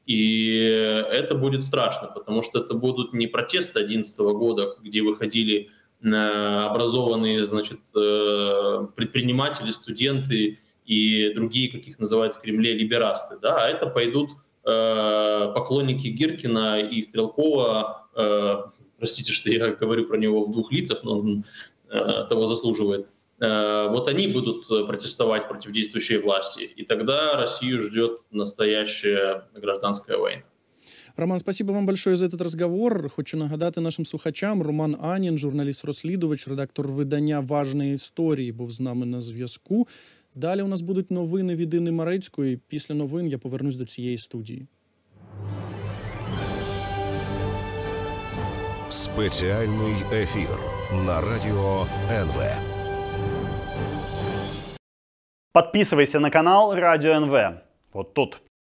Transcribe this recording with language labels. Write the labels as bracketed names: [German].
[Russian] И это будет страшно, потому что это будут не протесты 2011 года, где выходили образованные, значит, предприниматели, студенты и другие, как их называют в Кремле, либерасты, да, а это пойдут поклонники Гиркина и Стрелкова, простите, что я говорю про него в двух лицах, но он того заслуживает. Вот они будут протестовать против действующей власти, и тогда Россию ждет настоящая гражданская война. Роман, спасибо вам большое за этот разговор. [Ukrainian] Хочу нагадати нашим слухачам, Роман Анін, журналіст-розслідувач, редактор видання «Важні історії», був з нами на зв'язку. Далі у нас будуть новини від Інни Марецької. Після новин я повернусь до цієї студії. Спеціальний ефір на радіо НВ. [Russian] Подписывайся на канал Радио НВ. Вот тут.